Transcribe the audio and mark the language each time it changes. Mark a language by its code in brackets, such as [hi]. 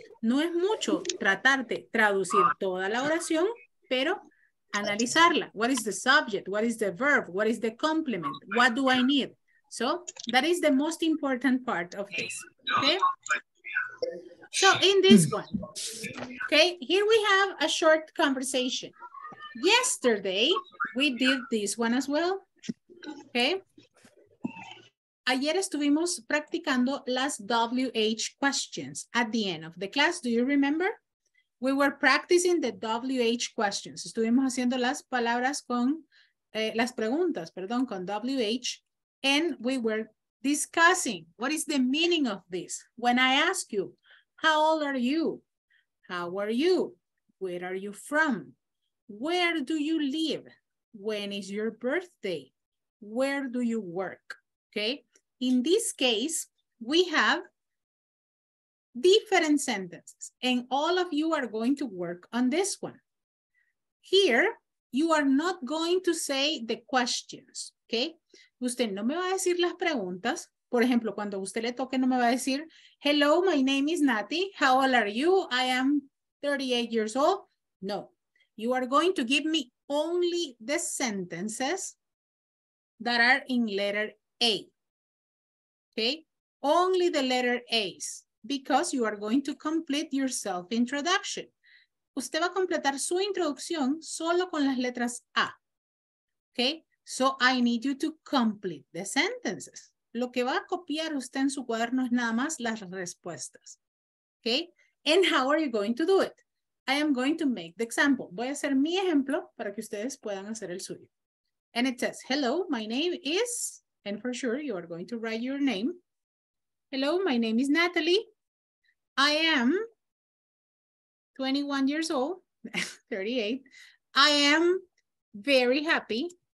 [es] No es mucho tratar de traducir toda la oración, pero analizarla. [en] What is the subject? What is the verb? What is the complement? What do I need? So that is the most important part of this, okay? So in this one, okay, here we have a short conversation. Yesterday, we did this one as well, okay? [es] Ayer estuvimos practicando las [en] WH questions at the end of the class. Do you remember? We were practicing the WH questions. [es] Estuvimos haciendo las palabras con, las preguntas, perdón, con WH. [en] And we were discussing what is the meaning of this. When I ask you, how old are you? How are you? Where are you from? Where do you live? When is your birthday? Where do you work? Okay. In this case, we have different sentences, and all of you are going to work on this one. Here, you are not going to say the questions. Okay. [es] Usted no me va a decir las preguntas. Por ejemplo, cuando usted le toque, no me va a decir, [en] hello, my name is Nati. How old are you? I am 38 years old. No. You are going to give me only the sentences that are in letter A. Okay? Only the letter A's. Because you are going to complete your self-introduction. [es] Usted va a completar su introducción solo con las letras A. [en] Okay? So I need you to complete the sentences. [es] Lo que va a copiar usted en su cuaderno es nada más las respuestas. [en] Okay? And how are you going to do it? I am going to make the example. [es] Voy a hacer mi ejemplo para que ustedes puedan hacer el suyo. [en] And it says, hello, my name is And for sure, you are going to write your name. Hello, my name is Natalie. I am 21 years old, 38. I am very happy.